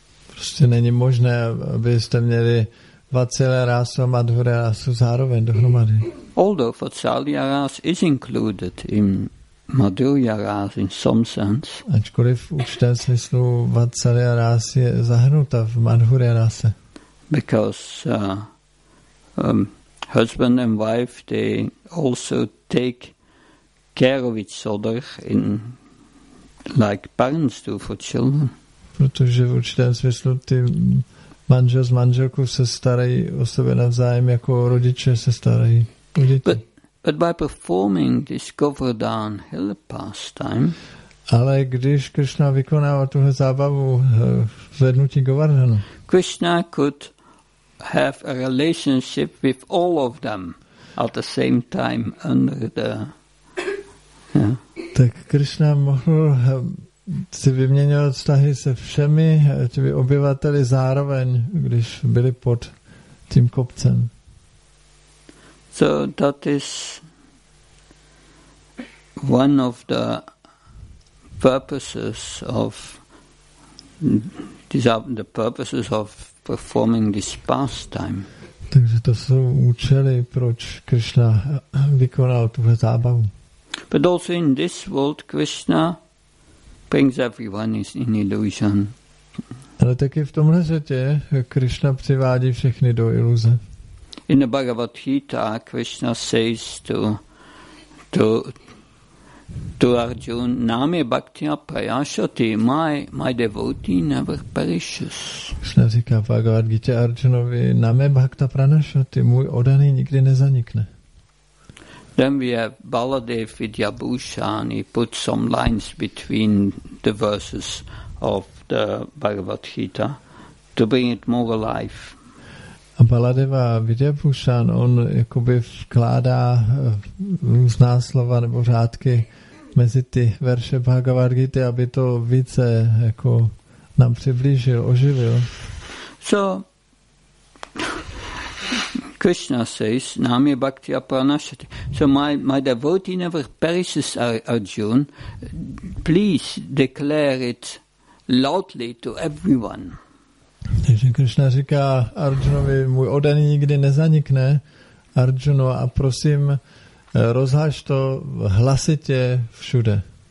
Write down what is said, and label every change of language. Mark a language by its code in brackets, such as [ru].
[cs] Prostě není možné, abyste měli Vatsalya Ras a Madhurya Ras zároveň dohromady. [en] Although Vatsalya Ras is included in Madhurya Ras in some sense. [cs] Ačkoliv v určitém smyslu Vatsalya Ras je zahrnuta v Madhurya Rase. [en] Because husband and wife, they also take care of each other in like parents do for children. [cs] Protože v určitém smyslu ty manžel s manželkou se starají o sebe navzájem, jako rodiče se starají o děti. [en] But by performing this Govardhan Hill pastime, [cs] ale když Krishna vykonává tuhle zábavu zvednutí Govardhanu, [en] Krishna could have a relationship with all of them at the same time under the [cs] Tak Krishna mohl si vyměňovat vztahy se všemi těmi obyvateli zároveň, když byli pod tím kopcem. [en] So that is one of the purposes of these are the purposes of performing this pastime. [cs] Takže to jsou účely, proč Krishna vykonal tuhle zábavu. [en] But also in this world, Krishna brings everyone in illusion. [cs] Ale taky v tomhle světě Krishna přivádí všechny do iluze. [en] In the Bhagavad Gita, Krishna says to Arjuna, [sa] "Name Bhaktiya Prayashati, [en] my devotee never perishes." [cs] Krishna říká v Bhagavad Gita Arjunovi, [sa] "Name Bhakta Prayashati, [cs] můj odaný nikdy nezanikne." [en] Then we have Baladev Vidyabhushan. He put some lines between the verses of the Bhagavad Gita to bring it more alive. [cs] A Baladeva Vidyabhushan, on jakoby vkládá různá slova nebo řádky mezi ty verše Bhagavad Gita, aby to více jako nám přiblížil, oživil. [en] So, Krishna says, [sa] "Nami bhakti apranashati." [en] So my devotee never perishes, Arjuna. Please declare it loudly to everyone. [cs] Takže Krishna říká Arjunovi, můj odaný nikdy nezanikne, Arjuno, a prosím, rozhlaš to hlasitě všude.